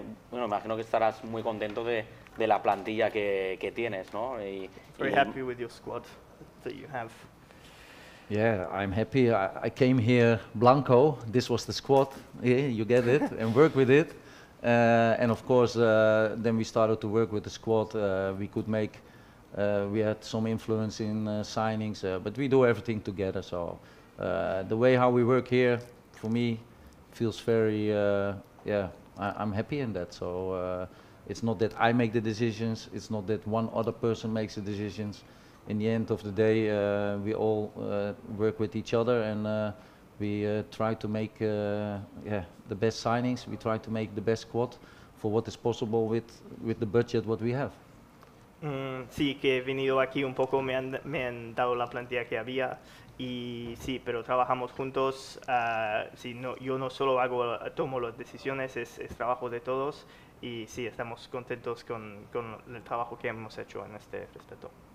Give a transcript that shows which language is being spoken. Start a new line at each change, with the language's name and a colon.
Spanish: Bueno, imagino que estarás muy contento de la plantilla que tienes, ¿no?
English: Very happy with your squad that you have. Yeah, I'm happy. I came here blanco. This was the squad. Yeah, you get it and work with it. And of course, then we started to work with the squad. We could make. We had some influence in signings, but we do everything together. So the way how we work here, for me, feels very. I'm happy in that. So it's not that I make the decisions. It's not that one other person makes the decisions. In the end of the day, we all work with each other, and we try to make the best signings. We try to make the best squad for what is possible with the budget what we have.
Spanish: Sí, que he venido aquí un poco, me han dado la plantilla que había y sí, pero trabajamos juntos. Sí, no, yo no solo tomo las decisiones, es trabajo de todos y sí, estamos contentos con el trabajo que hemos hecho en este respecto.